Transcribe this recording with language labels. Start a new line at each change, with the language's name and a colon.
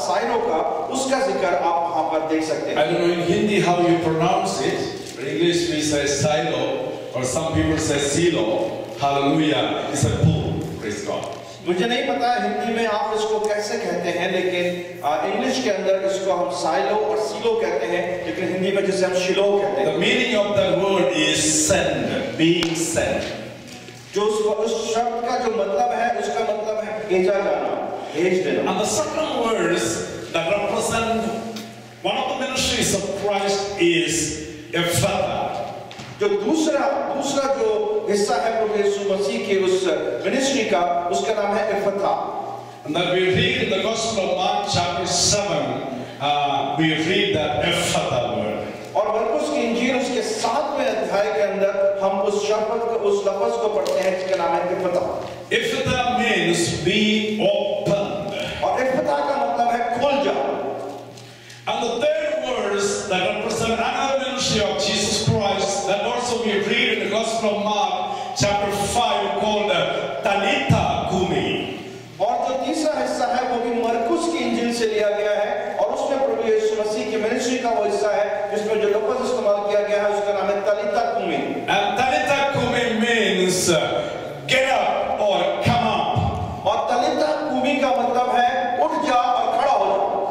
English: I don't know in Hindi how you pronounce it, but in English we say silo, or some people say silo. Hallelujah, it's a pool, praise God.
Hindi: मुझे नहीं पता हिंदी में आप इसको कैसे कहते हैं, लेकिन English के अंदर इसको हम silo और silo कहते हैं, लेकिन हिंदी में जिसे हम silo कहते हैं.
English: The meaning of the word is send, being sent.
Hindi: जो उस शब्द का जो मतलब है, उसका मतलब है भेजा जाना, भेज देना.
English: And the second words that represent one of the ministries of Christ is a father.
Hindi: जो दूसरा जो हिस्सा है प्रभु यीशु मसीह के उस मिनिस्ट्री का, उसका नाम है एफथा.
English: And then we read in the Gospel of Mark chapter 7, we read that एफथा word.
Hindi: और मरकुस की इंजील उसके सातवें अध्याय के अंदर हम उस शब्द को, उस लफ्ज को पढ़ते हैं जिसका नाम है एफथा.
English: एफथा means be open.
Hindi: और एफथा का मतलब है खुल जा.
English: And the third words that represent another ministry of Jesus Christ that also we read in the Gospel of Mark chapter 5 called Talitha Kumi.
Hindi: और जो तीसरा हिस्सा है वो भी मरकुस की इंजील से लिया गया है और उसमें प्रभु यीशु मसीह की मिनिस्ट्री का वो हिस्सा है जिसमें जो लफ्ज इस्तेमाल किया गया है उसका नाम है Talitha Kumi.
English: And Talitha Kumi means get up or come up.
Hindi: और Talitha Kumi का मतलब है उठ जा और खड़ा हो जा.